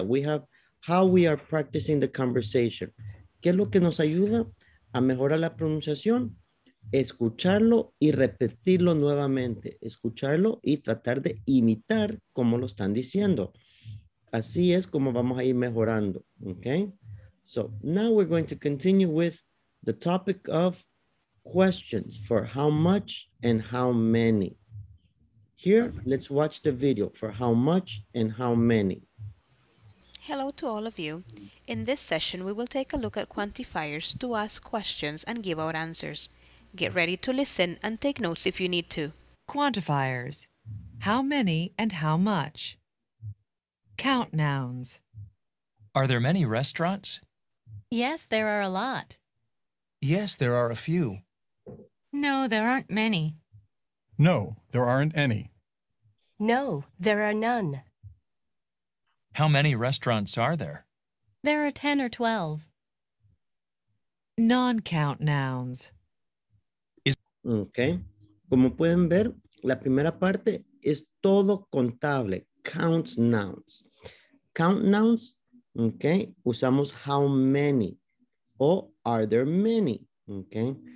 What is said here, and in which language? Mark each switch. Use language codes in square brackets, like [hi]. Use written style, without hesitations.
[en] We have how we are practicing the conversation. [es] ¿Qué es lo que nos ayuda a mejorar la pronunciación? Escucharlo y repetirlo nuevamente. Escucharlo y tratar de imitar como lo están diciendo. Así es como vamos a ir mejorando. Okay. [en] So now we're going to continue with the topic of questions for how much and how many. Here, let's watch the video for how much and how many. Hello to all of you. In this session, we will take a look at quantifiers to ask questions and give out answers. Get ready to listen and take notes if you need to. Quantifiers. How many and how much? Count nouns. Are there many restaurants? Yes, there are a lot. Yes, there are a few. No, there aren't many. No, there aren't any. No, there are none. How many restaurants are there? There are 10 or 12. Non-count nouns. Okay. [es] Como pueden ver, la primera parte es todo contable. [en] Count nouns. Count nouns, okay, usamos how many o are there many, okay.